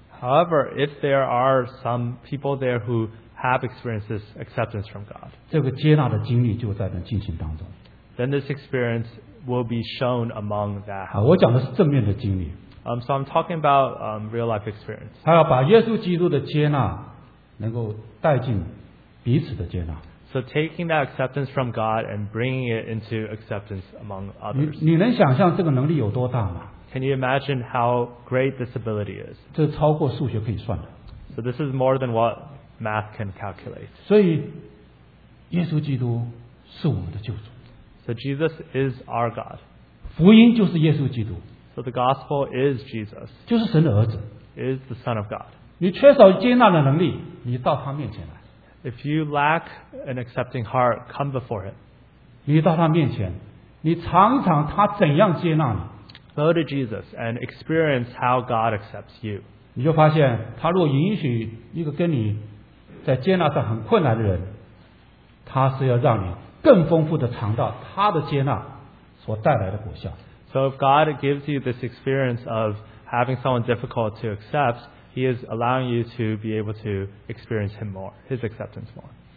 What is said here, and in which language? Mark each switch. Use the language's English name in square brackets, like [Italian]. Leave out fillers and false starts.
[English] However, if there are some people there who have experienced this acceptance from God, [Chinese] 这个接纳的经历就在那进行当中, [English] then this experience will be shown among that house. [Chinese] 我讲的是正面的经历, [English] so I'm talking about real life experience. [Chinese] 他要把耶稣基督的接纳能够带进 [English] So taking that acceptance from God and bringing it into acceptance among others. [Chinese] 你能想象这个能力有多大吗? [English] Can you imagine how great this ability is? [Chinese] 这超过数学可以算的。 [English] So this is more than what math can calculate. [Chinese] 所以耶稣基督是我们的救主。 [English] So Jesus is our God. [Chinese] 福音就是耶稣基督。 [English] So the gospel is Jesus. [Chinese] 就是神的儿子。 [English] Is the Son of God. [Chinese] 你缺少接纳的能力, 你到他面前来。 [English] If you lack an accepting heart, come before Him. [Chinese] 你到他面前, 你尝尝他怎样接纳你, [English] Go to Jesus and experience how God accepts you. [Chinese] 你就发现,他若允许一个跟你在接纳上很困难的人, 他是要让你更丰富地尝到他的接纳所带来的果效。 [English] So if God gives you this experience of having someone difficult to accept, He is allowing you to be able to experience Him more, His acceptance more.